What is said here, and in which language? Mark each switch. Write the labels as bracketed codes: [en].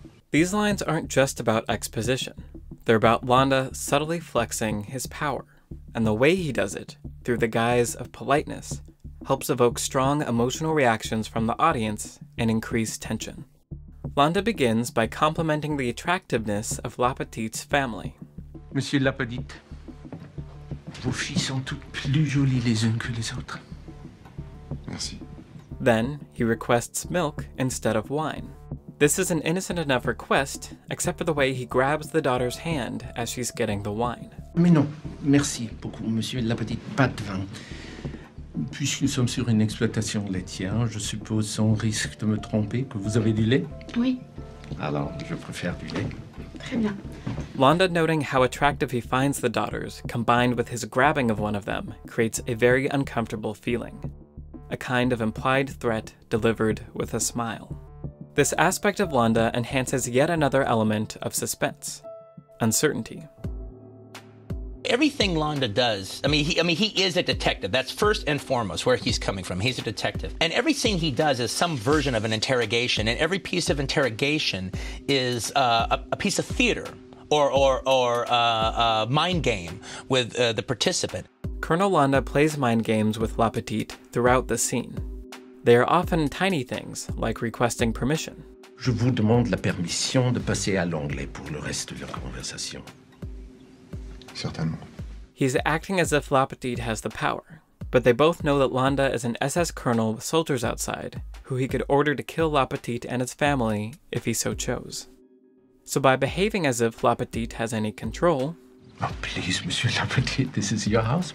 [en] These lines aren't just about exposition. They're about Landa subtly flexing his power. And the way he does it, through the guise of politeness, helps evoke strong emotional reactions from the audience and increase tension. Landa begins by complimenting the attractiveness of La Petite's family. [fr] Monsieur La Petite, vos filles sont toutes plus jolies les unes que les autres. Merci. [en] Then, he requests milk instead of wine. This is an innocent enough request, except for the way he grabs the daughter's hand as she's getting the wine. [fr] Mais non, merci beaucoup, monsieur La Petite, pas de vin. Puisque nous sommes sur une exploitation laitière, je suppose sans risque de me tromper que vous avez du lait? Oui. Alors, je préfère du lait. Très bien. [en] Landa, noting how attractive he finds the daughters, combined with his grabbing of one of them, creates a very uncomfortable feeling. A kind of implied threat delivered with a smile. This aspect of Landa enhances yet another element of suspense. Uncertainty. Everything Landa does, he is a detective. That's first and foremost where he's coming from. He's a detective. And every scene he does is some version of an interrogation. And every piece of interrogation is a piece of theater or a mind game with the participant. Colonel Landa plays mind games with La Petite throughout the scene. They are often tiny things, like requesting permission. [fr] Je vous demande la permission de passer à l'anglais pour le reste de la conversation. Certainement. [en] He's acting as if La Petite has the power, but they both know that Landa is an SS colonel with soldiers outside, who he could order to kill La Petite and his family if he so chose. So by behaving as if La Petite has any control, oh, please, Monsieur La Petite, this is your house.